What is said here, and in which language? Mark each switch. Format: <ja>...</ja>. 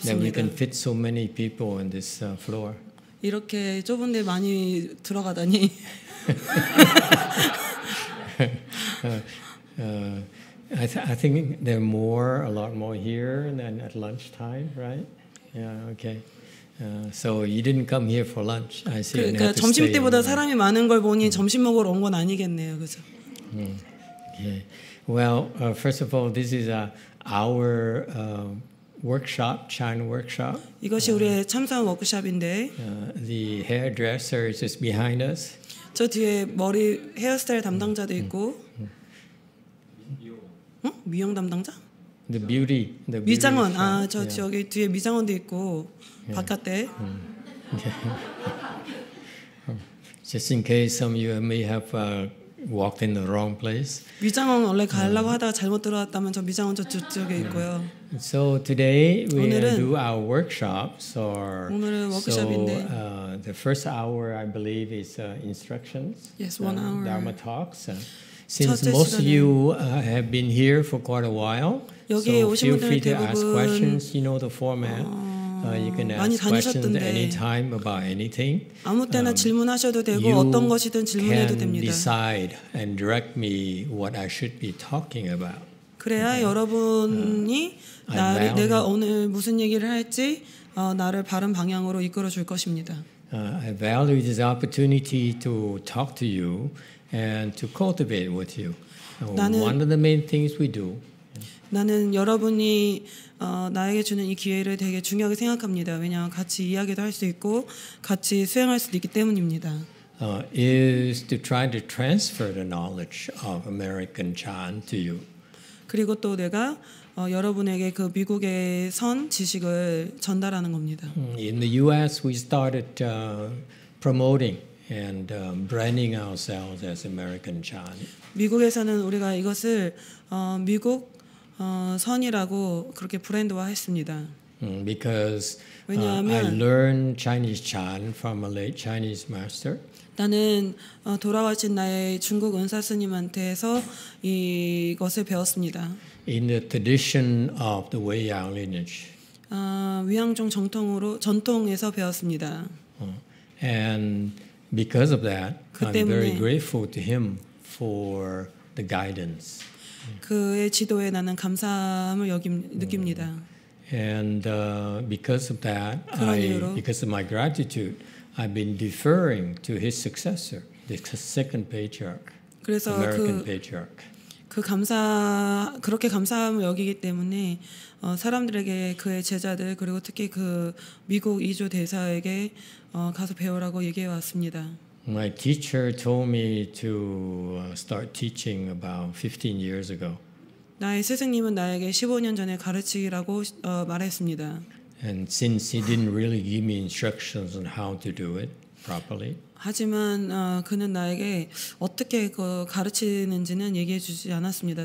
<en>That we can fit so many people on this floor.</en> <ko>이렇게 좁은 데 많이 들어가다니.</ko> <en>I think there are more a lot more here than at lunchtime, right? Yeah, okay. So you didn't come here for lunch. I see.</en> <ko>그러니까 점심 때보다 사람이 많은 걸 보니 점심 먹으러 온 건 아니겠네요. 그죠?</ko> <en>Yeah. Well, first of all, this is our workshop, China workshop.</en> <ko>이것이 우리의 참석 워크숍인데.</ko> <en>The hairdresser is just behind us.</en> <ko>저 뒤에 머리 헤어스타일 담당자도 있고. 응? 미용 담당자?</ko> <en>The beauty.</en> <ko>미장원. 아, 저 저기 뒤에 미장원도 있고. 바깥에.</ko> <en>Just in case some of you may have walked in the wrong place.</en> <ko>미장원 원래 가려고 하다가 잘못 들어왔다면 저 미장원 저쪽에 있고요.</ko> <en>So today we do our workshops or the first hour I believe is instructions. Yes, 1 hour. Dharma talks. Since most of you have been here for quite a while, so feel free to ask questions. You know the format. You can ask questions anytime about anything.</en> <ko>아무 때나 질문하셔도 되고 어떤 것이든 질문해도 됩니다.</ko> <en>You can decide and direct me what I should be talking about.</en> <ko>그래야 여러분이 내가 오늘 무슨 얘기를 할지 나를 바른 방향으로 이끌어 줄 것입니다.</ko> <en>I value this opportunity to talk to you and to cultivate with you. One of the main things we do.</en> <ko>나는 여러분이 나에게 주는 이 기회를 되게 중요하게 생각합니다. 왜냐하면 같이 이야기도 할 수 있고 같이 수행할 수도 있기 때문입니다.</ko> <en>Is to try to transfer the knowledge of American Chan to you.</en> <ko>그리고 또 내가 여러분에게 그 미국의 선 지식을 전달하는 겁니다.</ko> <en>In the U.S. we started promoting and branding ourselves as American Chan.</en> <ko>미국에서는 우리가 이것을 미국 선이라고 그렇게 브랜드화했습니다.</ko> <en>Because I learned Chinese Chan from a late Chinese master.</en> <ko>나는 돌아가신 나의 중국 은사 스님한테서 이것을 배웠습니다.</ko> <en>In the tradition of the Wei Yang lineage.</en> <ko>위양종 정통으로 전통에서 배웠습니다.</ko> <en>And because of that, I'm very grateful to him for the guidance.</en> <ko>그의 지도에 나는 감사함을 느낍니다.</ko> <en>And because of that, because of my gratitude, I've been deferring to his successor, the second patriarch, American patriarch.</en> <ko>그렇게 감사함을 여기기 때문에 사람들에게 그의 제자들 그리고 특히 그 미국 이주 대사에게 가서 배우라고 얘기해 왔습니다.</ko> <en>My teacher told me to start teaching about 15 years ago.</en> <ko>나의 스승님은 나에게 15년 전에 가르치기라고 말했습니다.</ko> <en>And since he didn't really give me instructions on how to do it properly.</en> <ko>하지만 그는 나에게 어떻게 그 가르치는지는 얘기해 주지 않았습니다.</ko>